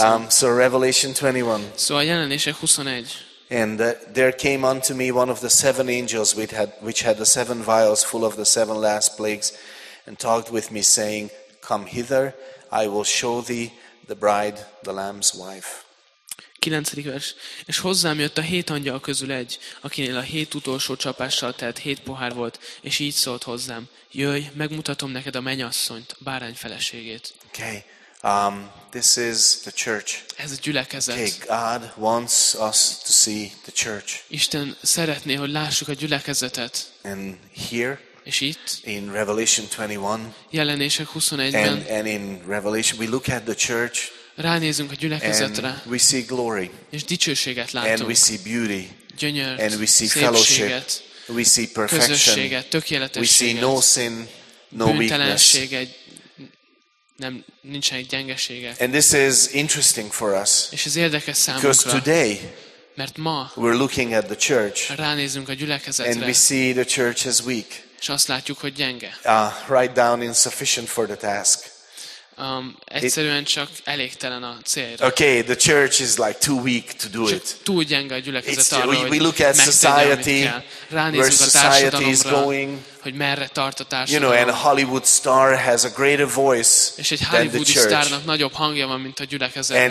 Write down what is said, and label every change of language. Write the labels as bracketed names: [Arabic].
[English] So Revelation 21. [Hungarian] So a Jelenések 21. [English] And there came unto me one of the seven angels which had the seven vials full of the seven last plagues and talked with me saying, come hither, I will show thee the bride, the Lamb's wife. [Hungarian] 9. vers. És hozzám jött a hét angyal közül egy, akinél a hét utolsó csapással telt hét pohár volt, és így szólt hozzám: jöjj, megmutatom neked a mennyasszonyt, bárány feleségét. [English] Okay. This is the church. [Hungarian] Ez a gyülekezet. [English] Okay. God wants us to see the church. [Hungarian] Isten szeretné, hogy lássuk a gyülekezetet. [English] And here. [Hungarian] És itt, [English] in Revelation 21. [Hungarian] Jelenések 21-ben. [English] And in Revelation we look at the church. [Hungarian] Ránézünk a gyülekezetre. [English] And we see glory. [Hungarian] És dicsőséget látunk. [English] And we see beauty. [Hungarian] Gyönyört. [English] And we see [Hungarian] szépséget, [English] fellowship. We see perfection. [Hungarian] Közösséget, tökéletességet. [English] We see no sin, no weakness. [Hungarian] Nem nincsenek gyengeségek. [English] And this is interesting for us. [Hungarian] És ez érdekes számunkra. [English] Because today, [Hungarian] mert ma, [English] we're looking at the church. [Hungarian] Ránézünk a gyülekezetre. [English] And we see the church as weak. [Hungarian] És azt látjuk, hogy gyenge. [English] Write down insufficient for the task. [Hungarian] Egyszerűen csak elégtelen a célra. [English] Okay, the church is like too weak to do it. [Hungarian] Túl gyenge a gyülekezet arra, hogy [English] we look at society, where society is going, [Hungarian] hogy merre tart a társadalom. [English] You know, and a Hollywood star has a greater voice [Hungarian] és egy Hollywoodi sztárnak nagyobb hangja van, mint a gyülekezetnek.